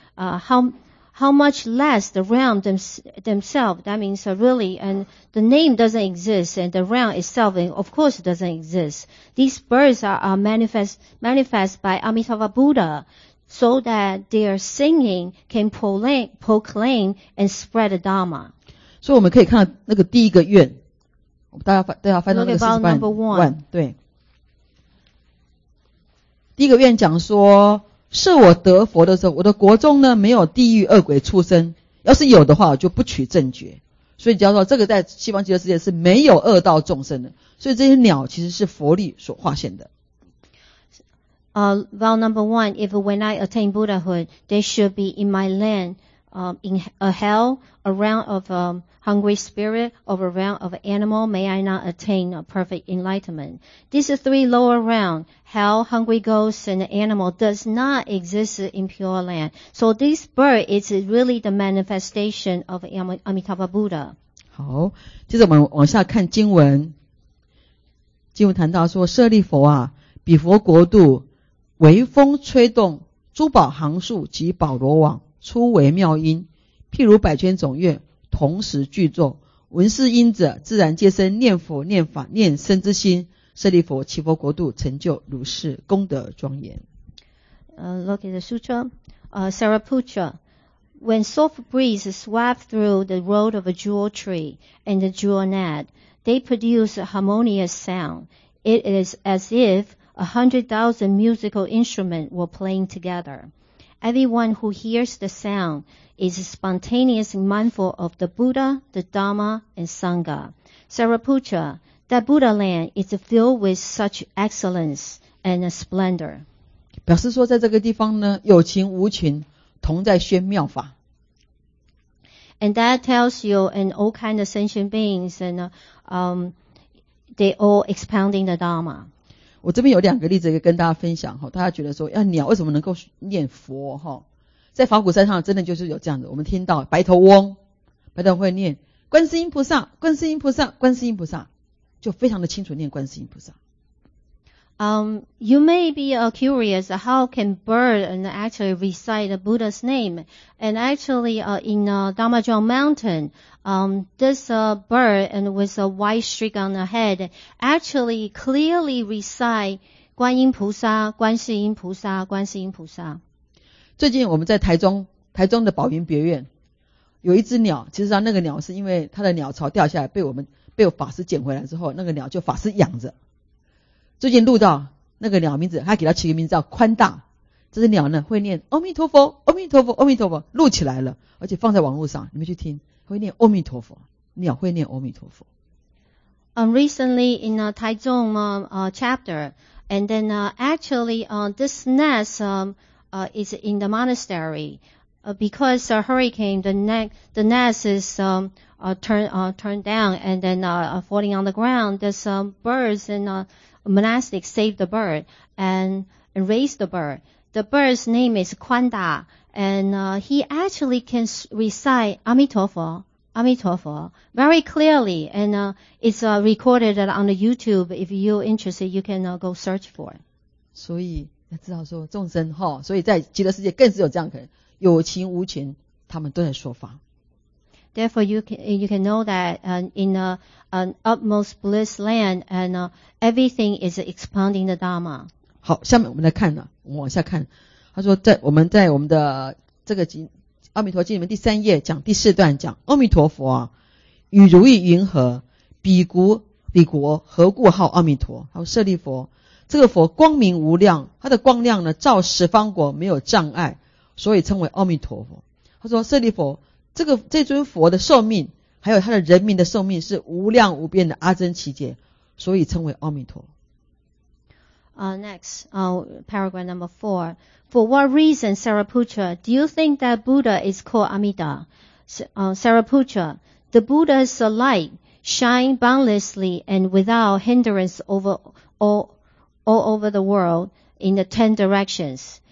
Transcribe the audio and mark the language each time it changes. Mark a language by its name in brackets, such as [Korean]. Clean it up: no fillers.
[English] How much less the realm themselves, that means really, and the name doesn't exist, and the realm itself, of course, doesn't exist. These birds are manifest by Amitabha Buddha so that their singing can proclaim and spread the Dharma. So we can see that the first wish. [Chinese] 大家翻到那个四十万，对。第一个愿讲说，是我得佛的时候，我的国中呢没有地狱恶鬼出生，要是有的话，我就不取正觉。所以叫做这个在西方极乐世界是没有恶道众生的，所以这些鸟其实是佛力所化现的。 [English] Vow number one, if when I attain Buddhahood, they should be in my land. In a hell, a realm of hungry spirit, or a realm of animal, may I not attain a perfect enlightenment? These three lower realms, hell, hungry ghosts, and animal, does not exist in pure land. So this bird is really the manifestation of Amitabha Buddha. [Chinese] 好，接着我们往下看经文。经文谈到说，舍利弗啊，彼佛国度，微风吹动，珠宝行数及宝罗网初为妙音，譬如百千种乐同时具作，闻是音者自然皆生念佛念法念僧之心，舍利佛其佛国度成就如是功德庄严。 [English] Look at the sutra. Sariputra, when soft breeze swept through the road of a jewel tree and the jewel net, they produce a harmonious sound. It is as if 100,000 musical instruments were playing together. Everyone who hears the sound is spontaneously mindful of the Buddha, the Dharma, and Sangha. Sariputra, that Buddha land is filled with such excellence and splendor. [Chinese] 表示说在这个地方呢，有情无情同在宣妙法。 [English] And that tells you, and all kinds of sentient beings, and they all expounding the Dharma. [Chinese] 我这边有两个例子跟大家分享，大家觉得说，要鸟为什么能够念佛？在法鼓山上真的就是有这样的，我们听到白头翁，白头翁会念观世音菩萨，观世音菩萨，观世音菩萨，就非常的清楚念观世音菩萨。 [English] You may be curious how can bird and actually recite the Buddha's name. And actually, in Dharmajong Mountain, this bird and with a white streak on the head actually clearly recite [Chinese] 观音菩萨，观世音菩萨，观世音菩萨。最近我们在台中的宝云别院，有一只鸟，其实那个鸟是因为它的鸟巢掉下来，被法师捡回来之后，那个鸟就法师养着。最近录到那个鸟名字，他给他起个名字叫宽大。这只鸟呢会念阿弥陀佛，阿弥陀佛，阿弥陀佛，录起来了，而且放在网络上，你们去听，会念阿弥陀佛，鸟会念阿弥陀佛。 [English] Recently in a Taizong chapter, and then actually this nest is in the monastery because a hurricane, the nest is turned down and then falling on the ground. There's birds and monastic save the bird and raise the bird. The bird's name is Kuan Da, and he actually can recite Amitofo, Amitofo very clearly, and it's recorded on the YouTube. If you're interested, you can go search for it. [Chinese] 所以要知道说众生哈，所以在极乐世界更是有这样可能，有情无情，他们都在说法。 [English] Therefore, you can know that in an utmost bliss land, and everything is expounding the Dharma. [Chinese] 好，下面我们来看呢，我们往下看。他说，在我们的这个经《阿弥陀经》里面第三页讲第四段讲阿弥陀佛啊，与如意云何？彼国何故号阿弥陀？他说舍利佛，这个佛光明无量，他的光亮呢照十方国没有障碍，所以称为阿弥陀佛。他说舍利佛。这尊佛的寿命还有他的人民的寿命是无量无边的阿僧祇劫，所以称为阿弥陀。 [English] Next, paragraph number 4. For what reason, Sariputra, do you think that Buddha is called Amida? Sariputra, the Buddha's light shine boundlessly and without hindrance over all over the world in the 10 directions.